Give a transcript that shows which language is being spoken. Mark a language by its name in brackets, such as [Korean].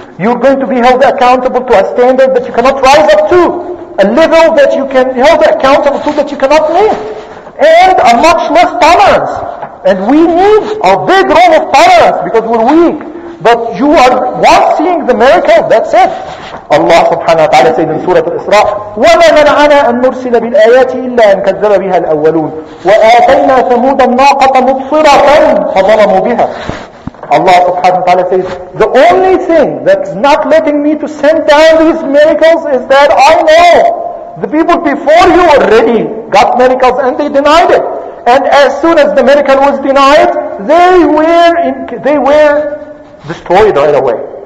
[English] You're going to be held accountable to a standard that you cannot rise up to, a level that you can held accountable to that you cannot meet, and a much less tolerance. And we need a big role of tolerance because we're weak. But you are once seeing the miracle, that's it. Allah subhanahu wa ta'ala said in Surah Al-Isra, [Arabic] وَمَا مَنَعَنَا أَن نُرْسِلَ بِالْآيَاتِ إِلَّا أَن كَذَّبَ بِهَا الْأَوَّلُونَ وَآتَيْنَا ثَمُودَ النَّاقَةَ مُبْصِرَةً فَظَلَمُوا بِهَا. [English] Allah subhanahu wa ta'ala says, the only thing that's not letting me to send down these miracles is that I know the people before you already got miracles and they denied it. And as soon as the miracle was denied, they were destroyed right away.